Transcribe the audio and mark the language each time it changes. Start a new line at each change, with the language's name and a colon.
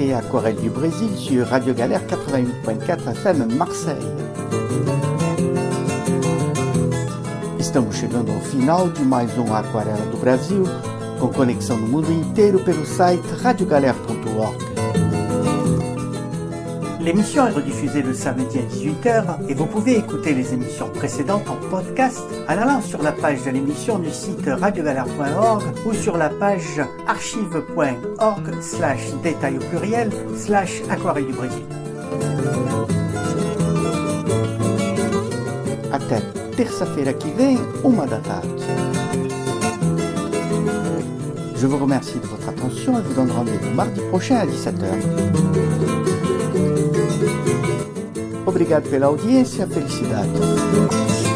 French: Corée du Brésil sur Radio Galère 88.4 FM Marseille.
Portuguese: Estamos chegando ao final de mais um Aquarela do Brasil, com conexão no mundo inteiro pelo site radiogalère.org.
French: L'émission est rediffusée le samedi à 18h et vous pouvez écouter les émissions précédentes en podcast en allant sur la page de l'émission du site radiogalère.org ou sur la page archive.org/détails/aquarelle du Brésil.
Portuguese: Até terça-feira que vem, uma da tarde.
French: Je vous remercie de votre attention et vous donne rendez-vous mardi prochain à 17h.
Portuguese: Obrigado pela audiência, felicidades.